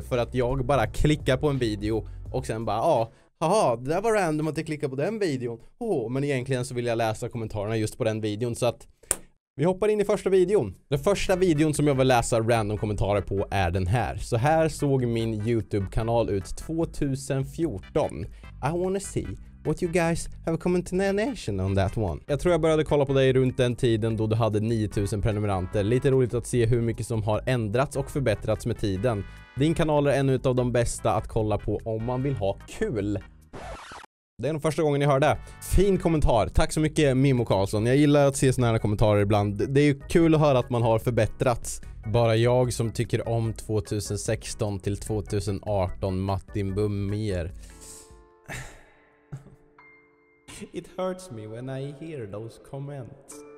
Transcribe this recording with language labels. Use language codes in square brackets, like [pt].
[sv] För att jag bara klickar på en video och sen bara, ja, ah, jaha, det var random att jag klickade på den videon. Oh, men egentligen så vill jag läsa kommentarerna just på den videon. Så att vi hoppar in i första videon. Den första videon som jag vill läsa random kommentarer på är den här. Så här såg min YouTube-kanal ut 2014. [en] I wanna see what you guys have commentation on that one. [sv] Jag tror jag började kolla på dig runt den tiden då du hade 9000 prenumeranter. Lite roligt att se hur mycket som har ändrats och förbättrats med tiden. Din kanal är en av de bästa att kolla på om man vill ha kul. Det är den första gången jag hör det. Fin kommentar. Tack så mycket Mimo Karlsson. Jag gillar att se såna här kommentarer ibland. Det är ju kul att höra att man har förbättrats. Bara jag som tycker om 2016 till 2018 Martin Bummer. [en] It hurts me when I hear those comments.